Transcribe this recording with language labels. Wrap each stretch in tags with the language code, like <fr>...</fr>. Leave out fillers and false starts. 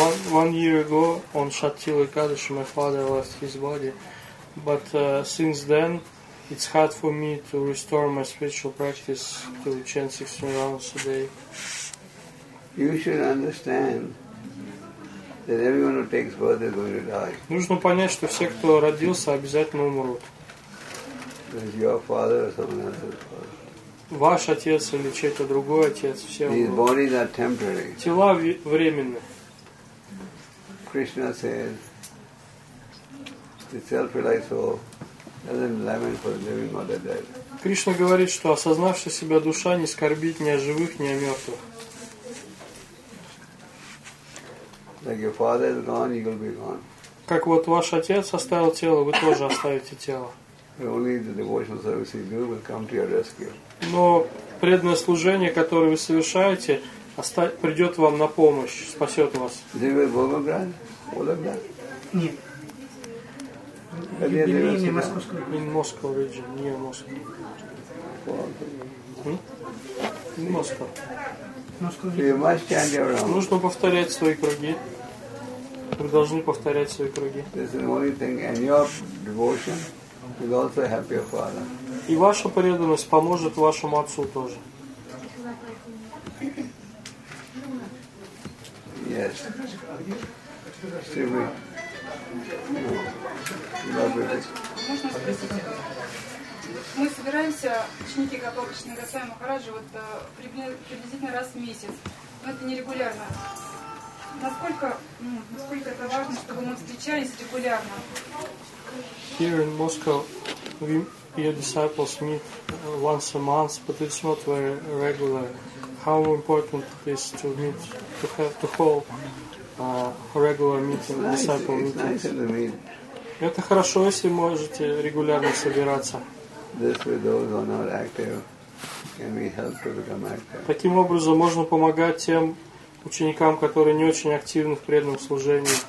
<en>One year ago on Shatila Ekadashi, my father left his body, but since then it's hard for me to restore my spiritual practice to chant 16 rounds a day. You should understand that everyone who takes birth is going to die.</en> <ru>Нужно понять, что все, кто родился, обязательно умрут.</ru> <en>Is your father or someone else's father?</en> <ru>Ваш отец или чей-то другой отец, все умрут.</ru> <en>These bodies are temporary.</en> <ru>Тела временны.</ru> <en>Krishna says, the self-realized soul doesn't lament for the living or the dead.</en> <ru>Krishna говорит, что осознавшая себя душа не скорбит ни о живых, ни о мертвых.</ru> <en>Like your father is gone, you will be gone.</en> <ru>Как вот ваш отец оставил тело, вы тоже оставите тело.</ru> <en>Only the devotional service you do will come to your rescue.</en> <ru>Но преданное служение, которое вы совершаете, придет вам на помощь, спасет вас. Где вы в Волгограде? Волгоград? Нет. Юбилейный московский.</ru> <en>In Moscow region,</en> <ru>не в Москве.</ru> <en>In Moscow.</en> <ru>Нужно повторять свои круги. Вы должны повторять свои круги.</ru> <en>This is the only thing. And your devotion will also help your father.</en> <ru>И ваша преданность поможет вашему отцу тоже.</ru> <en>Yes. See me.</en> <ru>Можно спросить? Мы собираемся, ученики Гопакришны Госвами Махараджи, вот приблизительно раз в месяц. Но это нерегулярно. Насколько это важно, чтобы мы встречались регулярно?</ru> <en>Here in Moscow, we, your disciples meet once a month, but it's not very regular. How important it is to meet, to have, to hold regular meeting, it's disciple nice, meetings. Nice to meet.</en> <ru>Это хорошо, если можете регулярно собираться.</ru> <en>This way, those who are not active, can we help to become active?</en> <ru>Таким образом, можно помогать тем ученикам, которые не очень активны в преданном служении.</ru>